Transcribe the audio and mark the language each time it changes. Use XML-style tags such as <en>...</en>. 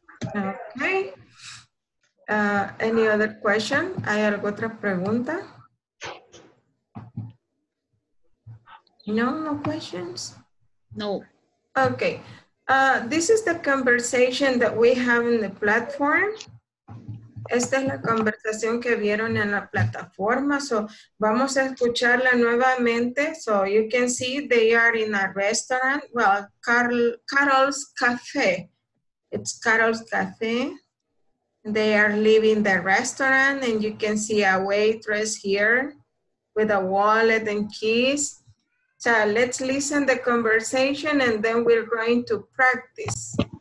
<en>Okay. Any other question?</en> <es>¿Hay alguna otra pregunta?</es> <en>No, no questions? No. Okay. This is the conversation that we have in the platform.</en> <es>Esta es la conversación que vieron en la plataforma. So, vamos a escucharla nuevamente.</es> <en>So, you can see they are in a restaurant. Well, Carol's Cafe. It's Carol's Cafe. They are leaving the restaurant and you can see a waitress here. with a wallet and keys. So let's listen to the conversation and then we're going to practice.</en>